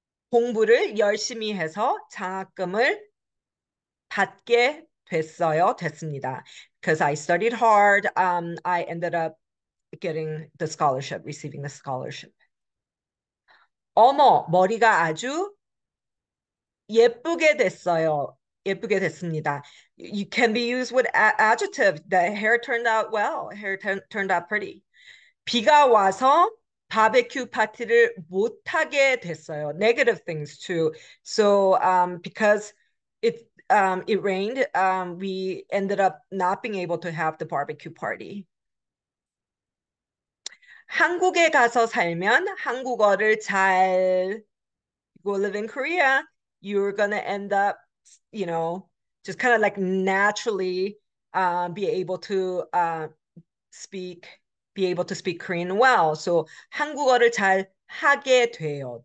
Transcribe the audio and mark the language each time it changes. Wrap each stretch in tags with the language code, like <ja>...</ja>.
<ko>공부를 열심히 해서 장학금을 받게 됐어요, 됐습니다.</ko> <en>Because I studied hard, I ended up getting the scholarship, receiving the scholarship.</en> <ko>어머, 머리가 아주 예쁘게 됐어요. 예쁘게 됐습니다.</ko> <en>You can be used with adjective. The hair turned out well. Hair turned out pretty.</en> <ko>비가 와서 바베큐 파티를 못하게 됐어요.</ko> <en>Negative things too. So because it rained, we ended up not being able to have the barbecue party.</en> <ko>한국에 가서 살면 한국어를 잘</ko> <en>go live in Korea. You're gonna end up, you know, just kind of like naturally be able to speak Korean well.</en> <ko>So 한국어를 잘 하게 돼요.</ko>